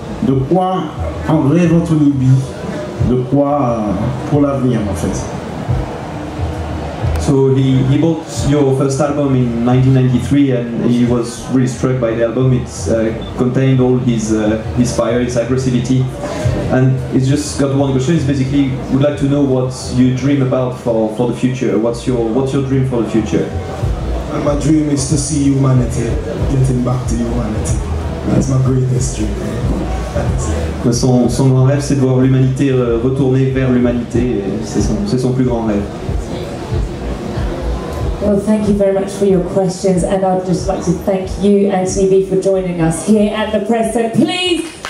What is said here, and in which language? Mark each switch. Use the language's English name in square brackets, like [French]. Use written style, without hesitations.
[French] De quoi en rêve Anthony B? De quoi pour l'avenir en fait? [English] So he bought your first album in 1993 and he was really struck by the album. It contained all his fire, his aggressivity. And he's just got one question. It's basically would like to know what you dream about for the future. What's your dream for the future? And my dream is to see humanity getting back to humanity. That's my greatest dream. [French] Son grand rêve, c'est de voir l'humanité retourner vers l'humanité. C'est son plus grand rêve. [English] Well, thank you very much for your questions, and I'd just like to thank you, Anthony B, for joining us here at the press. So please.